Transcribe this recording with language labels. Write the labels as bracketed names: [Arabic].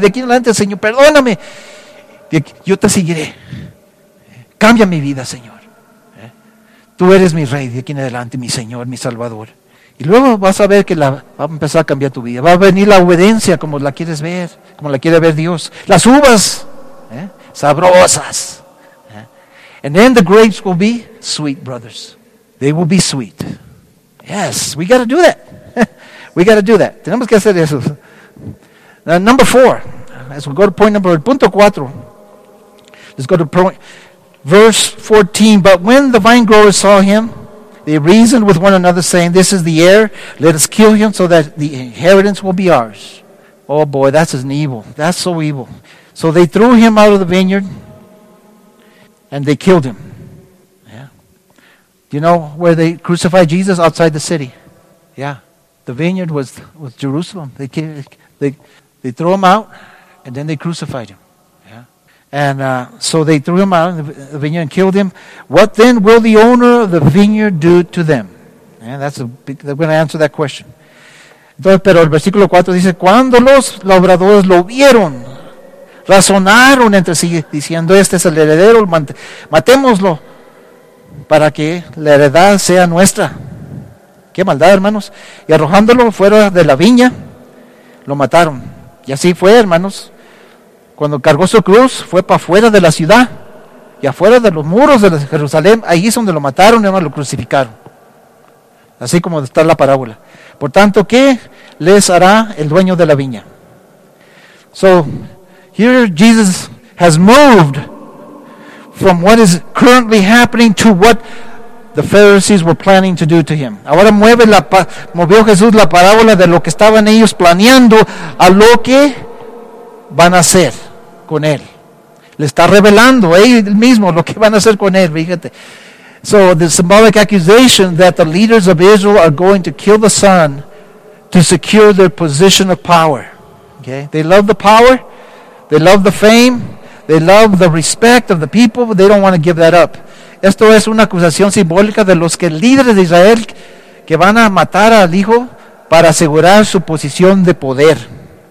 [Spanish] De aquí en adelante, Señor, perdóname. Yo te seguiré. Cambia mi vida, Señor. Tú eres mi Rey de aquí en adelante, mi Señor, mi Salvador. Y luego vas a ver que va a empezar a cambiar tu vida. Va a venir la obediencia como la quieres ver, como la quiere ver Dios. Las uvas, sabrosas. [English] And then the grapes will be sweet, brothers. They will be sweet. Yes, we got to do that. We got to do that. [Spanish] Tenemos que hacer eso. [English] Number four. As we go to point number, [Spanish] punto cuatro. [English] Let's go to point, verse 14. But when the vine growers saw him, they reasoned with one another, saying, "This is the heir. Let us kill him so that the inheritance will be ours." Oh boy, that's an evil. That's so evil. So they threw him out of the vineyard, and they killed him. Yeah. Do you know where they crucified Jesus? Outside the city. Yeah. The vineyard was Jerusalem. They threw him out, and then they crucified him. Yeah. And so they threw him out in the vineyard and killed him. What then will the owner of the vineyard do to them? Yeah, they're going to answer that question. [Spanish] Entonces, pero el versículo 4 dice, cuando los labradores lo vieron, razonaron entre sí, diciendo, este es el heredero, matémoslo para que la heredad sea nuestra. Qué maldad, hermanos. Y arrojándolo fuera de la viña, lo mataron. Y así fue, hermanos. Cuando cargó su cruz, fue para afuera de la ciudad y afuera de los muros de Jerusalén. Ahí es donde lo mataron, hermanos, lo crucificaron. Así como está la parábola. Por tanto, ¿qué les hará el dueño de la viña? [English] So, here Jesus has moved from what is currently happening to what the Pharisees were planning to do to him. [Spanish] Ahora movió Jesús la parábola de lo que estaban ellos planeando a lo que van a hacer con él. Le está revelando él mismo lo que van a hacer con él, fíjate. [English] So the symbolic accusation that the leaders of Israel are going to kill the son to secure their position of power. Okay? They love the power. They love the fame. They love the respect of the people. But they don't want to give that up. [Spanish] Esto es una acusación simbólica de los que líderes de Israel que van a matar al hijo para asegurar su posición de poder.